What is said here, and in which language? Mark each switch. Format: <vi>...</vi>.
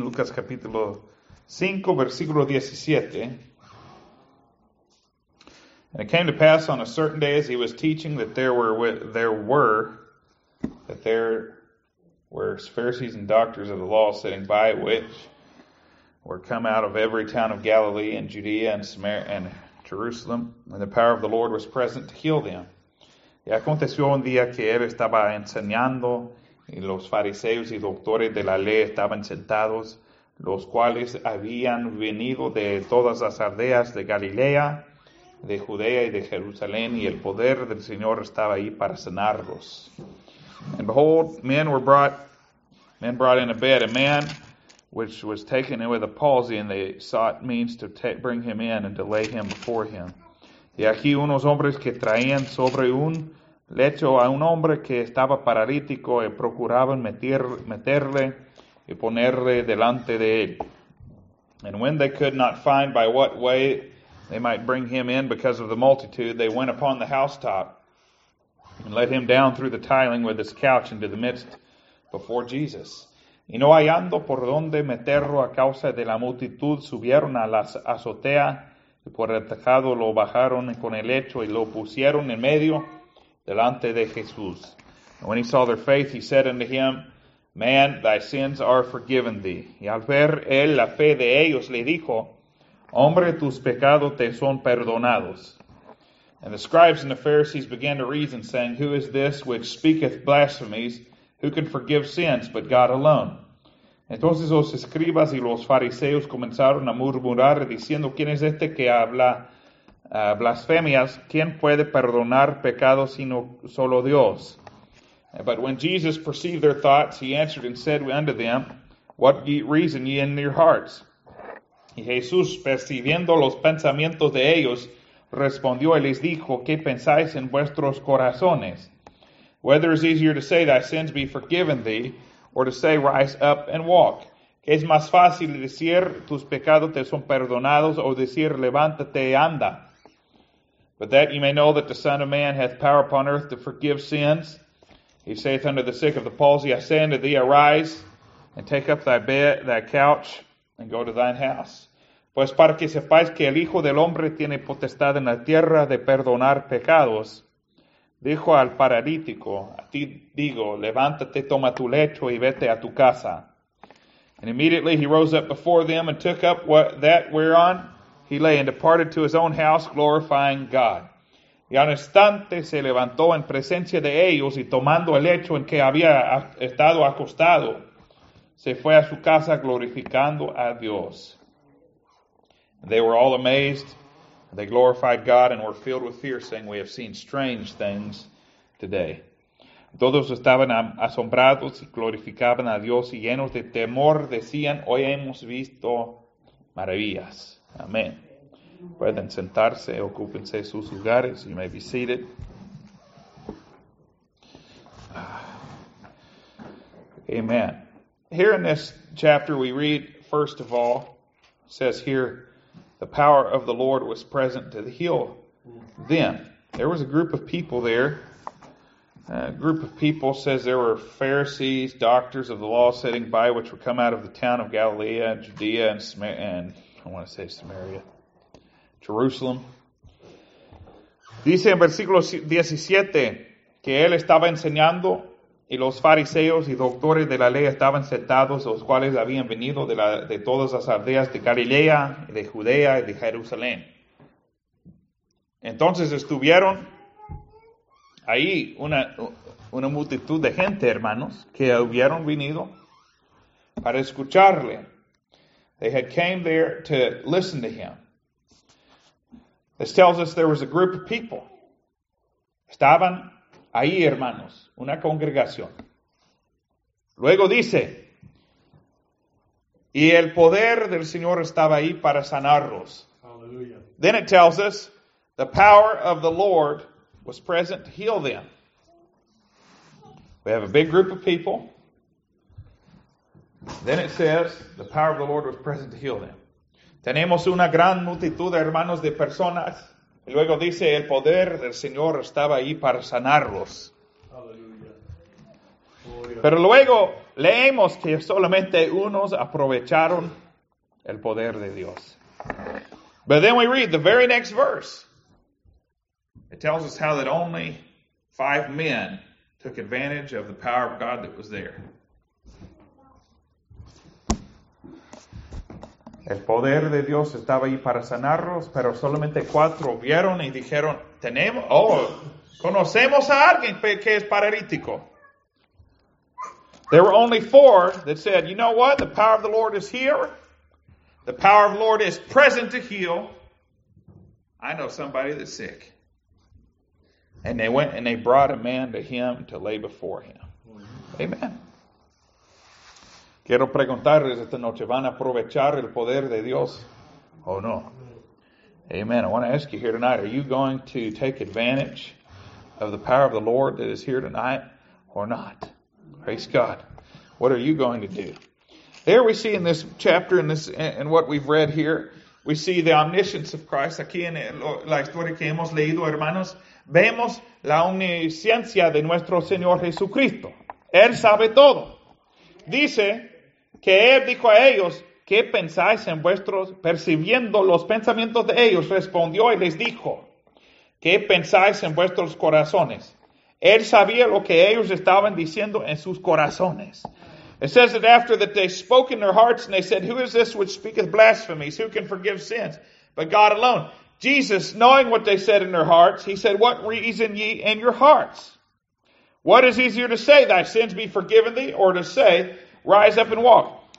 <es>Lucas capítulo 5, versículo 17.</es> <en>And it came to pass on a certain day as he was teaching that there were Pharisees and doctors of the law sitting by, which were come out of every town of Galilee and Judea and Samaria and Jerusalem, and the power of the Lord was present to heal them.</en> <es>Y aconteció un día que él estaba enseñando, y los fariseos y doctores de la ley estaban sentados, los cuales habían venido de todas las aldeas de Galilea, de Judea y de Jerusalén, y el poder del Señor estaba ahí para sanarlos.</es> <en>And behold, men brought in a bed, a man which was taken in with a palsy, and they sought means to bring him in and to lay him before him.</en> <es>Y aquí unos hombres que traían sobre un lecho a un hombre que estaba paralítico y procuraban meterle y ponerle delante de él.</es> <en>And when they could not find by what way they might bring him in because of the multitude, they went upon the housetop and let him down through the tiling with his couch into the midst before Jesus.</en> <es>Y no hallando por donde meterlo a causa de la multitud, subieron a la azotea y por el tejado lo bajaron con el lecho y lo pusieron en medio delante de Jesús.</es> <en>And when he saw their faith, he said unto him, Man, thy sins are forgiven thee.</en> <es>Y al ver él la fe de ellos, le dijo, Hombre, tus pecados te son perdonados.</es> <en>And the scribes and the Pharisees began to reason, saying, Who is this which speaketh blasphemies? Who can forgive sins but God alone?</en> <es>Entonces los escribas y los fariseos comenzaron a murmurar, diciendo, ¿Quién es este que habla blasfemias? ¿Quién puede perdonar pecados sino solo Dios?</es> <en>But when Jesus perceived their thoughts, he answered and said unto them, What reason ye in your hearts?</en> <es>Y Jesús, percibiendo los pensamientos de ellos, respondió y les dijo, ¿Qué pensáis en vuestros corazones?</es> <en>Whether it is easier to say, Thy sins be forgiven thee, or to say, Rise up and walk.</en> <es>¿Qué es más fácil decir, Tus pecados te son perdonados, o decir, Levántate y anda?</es> <en>But that ye may know that the Son of Man hath power upon earth to forgive sins, he saith unto the sick of the palsy, I say unto thee, Arise, and take up thy bed, thy couch, and go to thine house.</en> <es>Pues para que sepáis que el Hijo del Hombre tiene potestad en la tierra de perdonar pecados, dijo al paralítico, A ti digo, levántate, toma tu lecho y vete a tu casa.</es> <en>And immediately he rose up before them and took up that whereon he lay and departed to his own house, glorifying God.</en> <es>Y al instante se levantó en presencia de ellos y tomando el lecho en que había estado acostado, se fue a su casa glorificando a Dios.</es> <en>They were all amazed. They glorified God and were filled with fear, saying, We have seen strange things today.</en> <es>Todos estaban asombrados y glorificaban a Dios y llenos de temor decían, Hoy hemos visto maravillas. Amén. Pueden sentarse, ocúpense de sus lugares.</es> <en>You may be seated. Amen. Here in this chapter we read, first of all, it says here, The power of the Lord was present to heal them. There was a group of people there. A group of people says there were Pharisees, doctors of the law sitting by, which were come out of the town of Galilee, Judea, and Samaria, and I want to say Samaria, Jerusalem.</en> <es>Dice en versículo 17 que él estaba enseñando y los fariseos y doctores de la ley estaban sentados, los cuales habían venido de todas las aldeas de Galilea, de Judea y de Jerusalén. Entonces estuvieron ahí una multitud de gente, hermanos, que hubieron venido para escucharle.</es> <en>They had came there to listen to him. This tells us there was a group of people.</en> <es>Estaban ahí, hermanos, una congregación. Luego dice, y el poder del Señor estaba ahí para sanarlos.</es> <en>Hallelujah. Then it tells us, the power of the Lord was present to heal them. We have a big group of people. Then it says, the power of the Lord was present to heal them.</en> <es>Tenemos una gran multitud, hermanos, de personas. Y luego dice, el poder del Señor estaba ahí para sanarlos.</es> <en>Hallelujah. Glory</en> <es>Pero luego leemos que solamente unos aprovecharon el poder de Dios.</es> <en>But then we read the very next verse. It tells us how that only five men took advantage of the power of God that was there.</en> <es>El poder de Dios estaba ahí para sanarlos, pero solamente cuatro vieron y dijeron, tenemos, oh, conocemos a alguien que es paralítico.</es> <en>There were only four that said, you know what, the power of the Lord is here. The power of the Lord is present to heal. I know somebody that's sick. And they went and they brought a man to him to lay before him. Amen.</en> <es>Quiero preguntarles esta noche, ¿van a aprovechar el poder de Dios o no?</es> <en>Amen. I want to ask you here tonight, are you going to take advantage of the power of the Lord that is here tonight or not? Praise God. What are you going to do? There we see in this chapter, in what we've read here, we see the omniscience of Christ.</en> <es>Aquí en la historia que hemos leído, hermanos, vemos la omnisciencia de nuestro Señor Jesucristo. Él sabe todo. Dice que él dijo a ellos, ¿qué pensáis en vuestros, percibiendo los pensamientos de ellos? Respondió y les dijo, ¿qué pensáis en vuestros corazones? Él sabía lo que ellos estaban diciendo en sus corazones.</es> <en>It says that after that they spoke in their hearts and they said, who is this which speaketh blasphemies? Who can forgive sins but God alone? Jesus, knowing what they said in their hearts, he said, what reason ye in your hearts? What is easier to say, thy sins be forgiven thee, or to say, rise up and walk?</en>